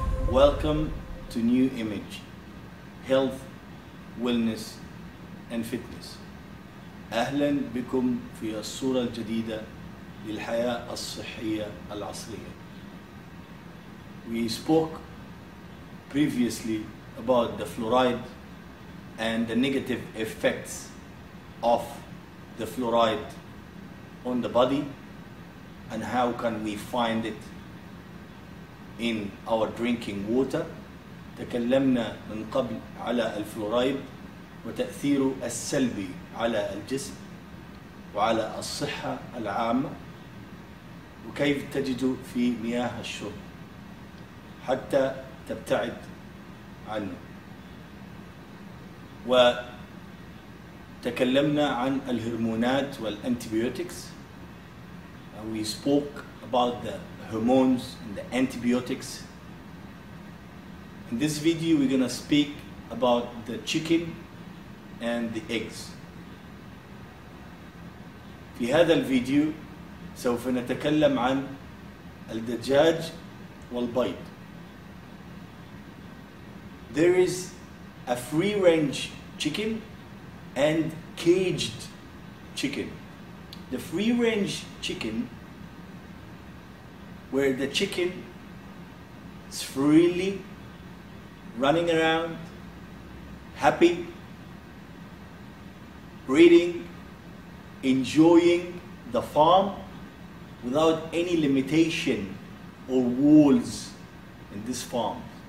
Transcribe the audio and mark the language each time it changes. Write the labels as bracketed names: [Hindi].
[English] Welcome to New Image, Health, Wellness and Fitness. [Arabic] أهلا بكم في الصورة الجديدة للحياة الصحية العصرية. [English] We spoke previously about the fluoride and the negative effects of the fluoride on the body and how can we find it in our drinking water. [Arabic] تكلمنا من قبل على الفلورايد وتأثيره السلبي على الجسم وعلى الصحة العامة وكيف تجده في مياه الشرب حتى تبتعد عنه. وتكلمنا عن الهرمونات والأنتيبيوتكس. [English] We spoke about the hormones and the antibiotics. In this video, we're going to speak about the chicken and the eggs. [Arabic] في هذا الفيديو سوف نتكلم عن الدجاج والبيض. [English] There is a free-range chicken and caged chicken. The free-range chicken, where the chicken is freely running around, happy, breeding, enjoying the farm without any limitation or walls in this farm.